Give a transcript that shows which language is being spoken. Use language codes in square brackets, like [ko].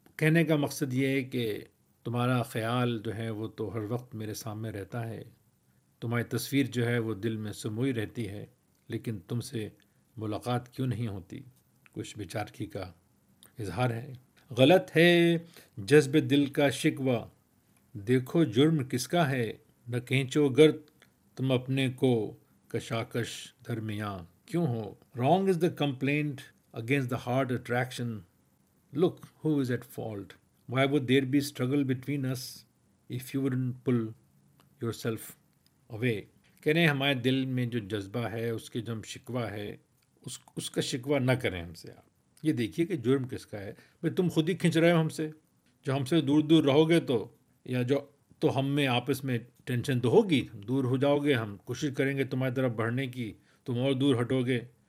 [ur] کہنے کا مقصد یہ ہے کہ تمہارا خیال جو ہے وہ تو ہر وقت میرے سامنے رہتا ہے، تمہاری تصویر جو ہے وہ دل میں سموئی رہتی ہے، لیکن تم سے ملاقات کیوں نہیں ہوتی. کچھ بیچارگی کا اظہار ہے. غلط ہے جذب دل کا شکوہ، دیکھو جرم کس کا ہے، نہ کھینچو گرد تم اپنے کو کشاکش درمیان کیوں ہو. [en] Wrong is the complaint against the hard attraction, look who is at fault, why would there be struggle between us if you wouldn't pull yourself away. [ur] کہنے ہمارے دل میں جو جذبہ ہے، اس کے جو ہم شکوہ ہے، اس کا شکوہ نہ کریں ہم سے. آپ یہ دیکھیے کہ جرم کس کا ہے بھائی، تم خود ہی کھینچ رہے ہو ہم سے. جو ہم سے دور دور رہو گے تو، یا جو تو ہم میں آپس میں ٹینشن تو ہوگی، دور ہو جاؤ گے، ہم کوشش کریں گے تمہاری طرف بڑھنے کی، تم اور دور ہٹو گے.